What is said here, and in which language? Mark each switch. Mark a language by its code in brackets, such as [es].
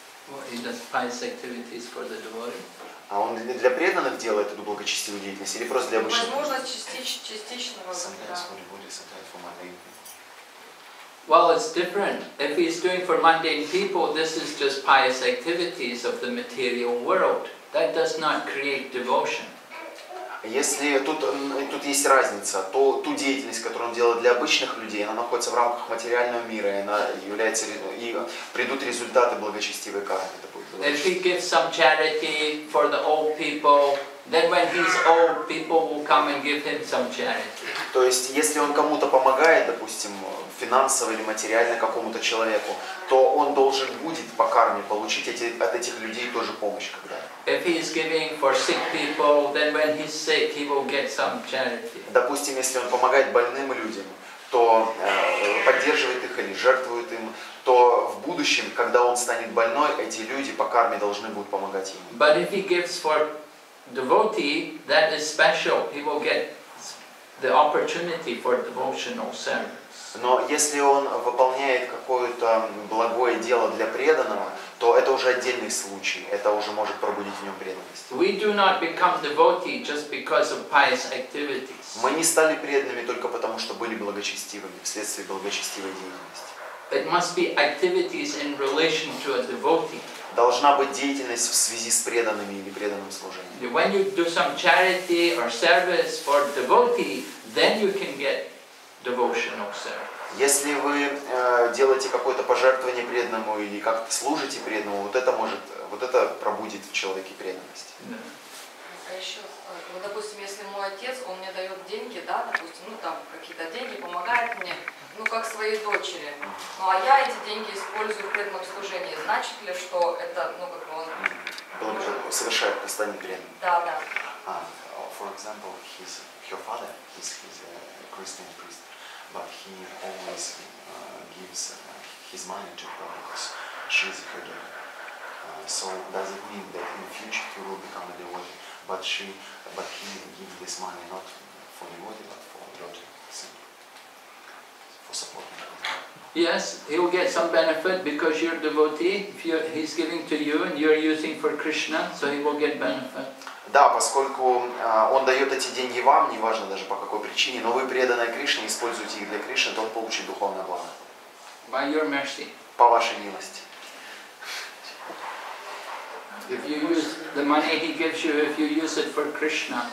[en] Well, he does pious activities for the devotee. [ru] А он для преданных делает эту благочестивую деятельность или просто для обычных? Возможность частичного. [en] Sometimes for devotees, sometimes for mundane people. Well, it's different. If he's doing for mundane people, this is just pious activities of the material world. That does not create devotion. [ru] Если тут есть разница, то ту деятельность, которую он делает для обычных людей, она находится в рамках материального мира, и она является, и придут результаты благочестивой кармы. [en] If he gives some charity for the old people, then when his old people will come and give him some charity. [ru] То есть, если он кому-то помогает, допустим, финансово или материально какому-то человеку, то он должен будет по карме получить от этих людей тоже помощь когда-то. [en] If he is giving for sick people, then when he's sick, he will get some charity. [ru] Допустим, если он помогает больным людям, то поддерживает их или жертвует им, то в будущем, когда он станет больной, эти люди по карме должны будут помогать ему. [en] But if he gives for devotee, that is special. He will get the opportunity for devotional service. [ru] Но если он выполняет какое-то благое дело для преданного, то это уже отдельный случай. Это уже может пробудить в нем преданность. [en] We do not become devotee just because of pious activities. [ru] Мы не стали преданными только потому, что были благочестивыми, вследствие благочестивой деятельности. [en] It must be activities in relation to a devotee. [ru] Должна быть деятельность в связи с преданными или преданным служением. [en] When you do some charity or service for devotee, then you can get devotional service. [ru] Если вы делаете какое-то пожертвование преданному или как-то служите преданному, вот это пробудит в человеке преданность. Да. А еще, допустим, если мой отец, он мне дает деньги, да, допустим, ну там какие-то деньги, помогает мне, ну как своей дочери. Ну а я эти деньги использую в преданном служении. Значит ли, что это, ну как бы он... Может... Совершает постоянный преданный. Да, да. [en] For example, her father, he's a Christian priest. But he always gives his money to her because she's her daughter. So does it mean that in the future he will become a devotee? But he gives this money not for devotee but for daughter, for supporting her. Yes, he will get some benefit because you're a devotee. If he's giving to you and you're using for Krishna, so he will get benefit. [ru] Да, поскольку он дает эти деньги вам, неважно даже по какой причине, но вы преданные Кришне, используете их для Кришны, то он получит духовное благо. [en] By your mercy. [ru] По вашей милости. [en] If you use the money he gives you, if you use it for Krishna.